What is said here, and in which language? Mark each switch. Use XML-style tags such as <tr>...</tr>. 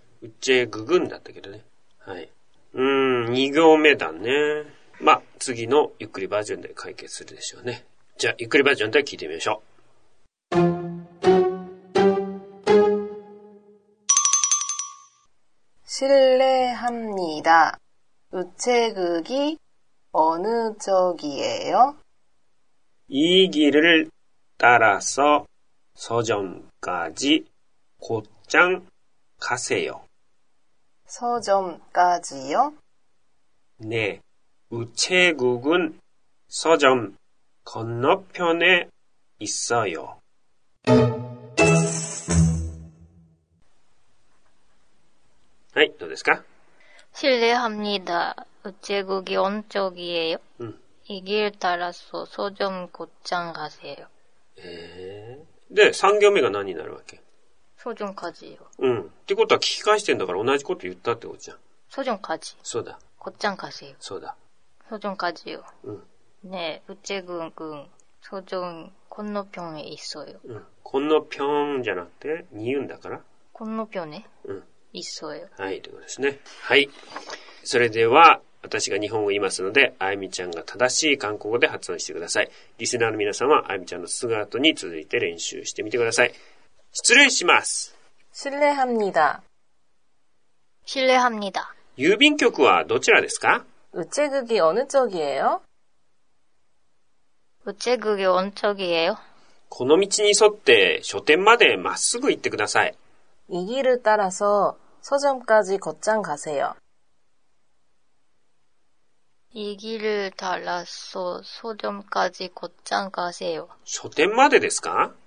<ja>うちぐぐんだったけどね。はい、2行目だね。まあ、次のゆっくりバージョンで解決するでしょうね。じゃあ、ゆっくりバージョンで聞いてみましょう。</ja> <ko>실례합니다。 우체국이어느쪽이에요？ 이길을따라서서점까지곧장가세요。 서점까지요？ 네，우체국은서점건너편에있어요。</ko> <ja>はい、どうですか？</ja> <ko>실례합니다。 우체국이어느쪽이에요？ 이길따라서서점곧장가세요。</ko> <ja>で、3行目が何になるわけ？</ja> <ko>서점까지요。</ko> <ja>うん。ってことは聞き返してんだから同じこと言ったってことじゃん。</ja> <ko>서점까지。</ko> <ja>そうだ。</ja> <ko>곧장가세요。</ko> <ja>そうだ。</ja> <ko>서점까지요。</ko> <ja>うん。</ja> <ko>네、우체국은서점건너편에있어요。</ko> <ja>うん。</ja> <ko>건너편</ko> <ja>じゃなくて、니은だから。</ja> <ko>건너편에？</ko> <ja>うん。いっそよ。はい、ということですね。はい。それでは、私が日本語を言いますので、あゆみちゃんが正しい韓国語で発音してください。リスナーの皆さんは、あゆみちゃんの素顔に続いて練習してみてください。失礼します。</ja> <ko>실례합니다。 실례합니다。</ko> <ja>郵便局はどちらですか？</ja> <ko>우체국이어느쪽이에요？ 우체국이어느쪽이에요？</ko> <ja>この道に沿って、書店までまっすぐ行ってください。</ja> <ko>이길을따라서서점까지곧장가세요。 이길을달아서서점까지곧장가세요。</ko> <ja>書店までですか？</ja>